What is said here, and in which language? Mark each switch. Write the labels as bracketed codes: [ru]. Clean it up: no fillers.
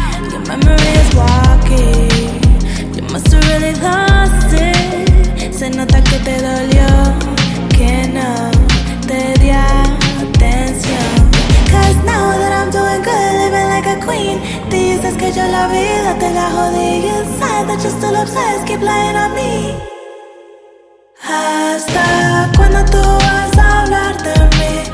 [en] Your memory is walking. You must have really lost it. [es] Se nota que te dolió. Que no te di atención. [en] Cause now that I'm doing good, living like a queen. [es] Dices que yo la vida te la jodí. [en] Inside that you're still obsessed, keep lying on me. [es] Hasta cuando tú vas a hablar de mí.